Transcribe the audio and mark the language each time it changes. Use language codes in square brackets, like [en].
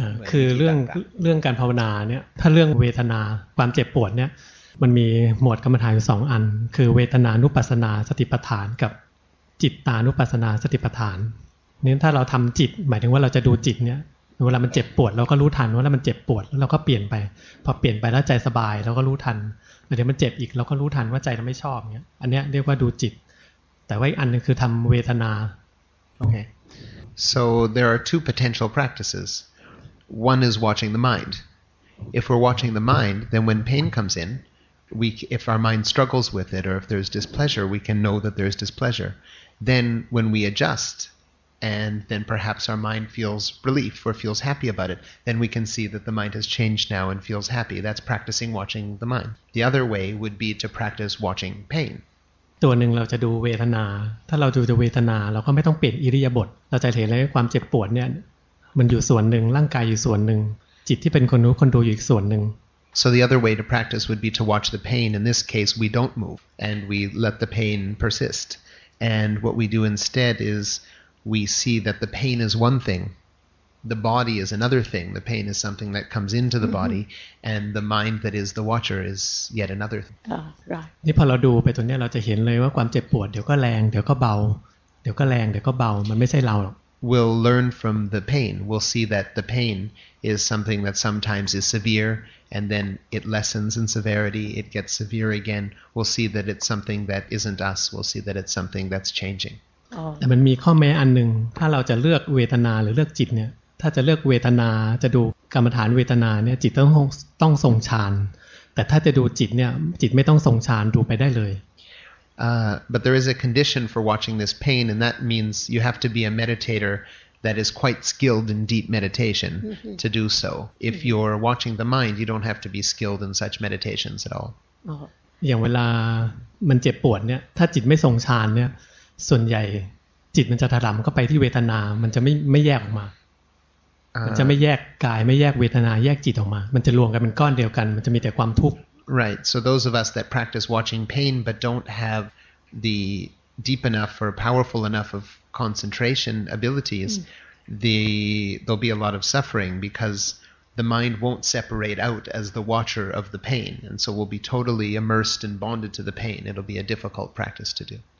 [th] คือเรื่องการภาวนาเนี่ยถ้าเรื่องเวทนาความเจ็บปวดเนี่ยมันมีหมวดกรรมฐานอยู่สองอันคือเวทนานุปัสสนาสติปัฏฐานกับจิตตานุปัสสนาสติปัฏฐานนี้ถ้าเราทำจิตหมายถึงว่าเราจะดูจิตเนี้ยเวลามันเจ็บปวดเราก็รู้ทันว่ามันเจ็บปวดแล้วเราก็เปลี่ยนไปพอเปลี่ยนไปแล้วใจสบายเราก็รู้ทันแล้วเดี๋ยวมันเจ็บอีกเราก็รู้ทันว่าใจเราไม่ชอบเนี้ยอันเนี้ยเรียกว่าดูจิตแต่ว่าอีกอันนึงคือทำเวทนาโอเค [en] so there are two potential practices one is watching the mind if we're watching the mind then when pain comes inIf our mind struggles with it, or if there's displeasure, we can know that there's displeasure. Then, when we adjust, and then perhaps our mind feels relief or feels happy about it, then we can see that the mind has changed now and feels happy. That's practicing watching the mind. The other way would be to practice watching pain. [th] ตัวหนึ่งเราจะดูเวทนาถ้าเราดูเวทนาเราก็ไม่ต้องเปลี่ยนอิริยาบถเราจะเห็นเลยความเจ็บปวดเนี่ยมันอยู่ส่วนหนึ่งร่างกายอยู่ส่วนหนึ่งจิตที่เป็นคนรู้คนดูอยู่อีกส่วนหนึ่ง [en] So the other way to practice would be to watch the pain. In this case, we don't move and we let the pain persist. And what we do instead is we see that the pain is one thing. The body is another thing. The pain is something that comes into the body and the mind that is the watcher is yet another thing. [th] นี่พอเราดูไปตรงนี้เราจะเห็นเลยว่าความเจ็บปวดเดี๋ยวก็แรงเดี๋ยวก็เบาเดี๋ยวี๋ยวก็แรงเดี๋ยวก็เบามันไม่ใช่เราหรอก [en] We'll learn from the pain. We'll see that the pain is something that sometimes is severe and then it lessens in severity. It gets severe again. We'll see that it's something that isn't us. We'll see that it's something that's changing. [th] แต่มันมีข้อแม้อันนึงถ้าเราจะเลือกเวทนาหรือเลือกจิตเนี่ยถ้าจะเลือกเวทนาจะดูกรรมฐานเวทนาเนี่ยจิตต้องทรงฌานแต่ถ้าจะดูจิตเนี่ยจิตไม่ต้องทรงฌานดูไปได้เลย [en] But there is a condition for watching this pain, and that means you have to be a meditator that is quite skilled in deep meditation to do so. If you're watching the mind, you don't have to be skilled in such meditations at all. [th] อย่างเวลามันเจ็บปวดเนี่ยถ้าจิตไม่ทรงฌานเนี่ยส่วนใหญ่จิตมันจะถลำก็ไปที่เวทนามันจะไม่แยกออกมามันจะไม่แยกกายไม่แยกเวทนาแยกจิตออกมามันจะรวมกันเป็นก้อนเดียวกันมันจะมีแต่ความทุกข์ [en] Right, so those of us that practice watching pain but don't have the deep enough or powerful enough of concentration abilities, there'll be a lot of suffering because the mind won't separate out as the watcher of the pain. And so we'll be totally immersed and bonded to the pain. It'll be a difficult practice to do.